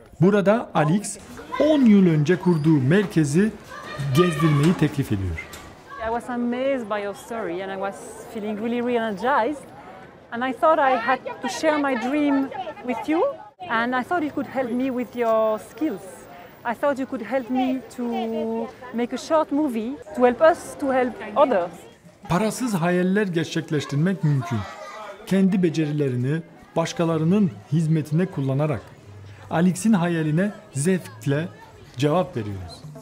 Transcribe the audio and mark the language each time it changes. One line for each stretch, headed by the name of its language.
Turkish: Burada Alex 10 yıl önce kurduğu merkezi gezdirmeyi teklif ediyor.
English: I was amazed by your story and I was feeling really re-energized. And I thought I had to share my dream with you and I thought you could help me with your skills. I thought you could help me to make a short movie to help us to help others.
Turkish: Parasız hayaller gerçekleştirmek mümkün. Kendi becerilerini başkalarının hizmetine kullanarak Alex'in hayaline zevkle cevap veriyoruz.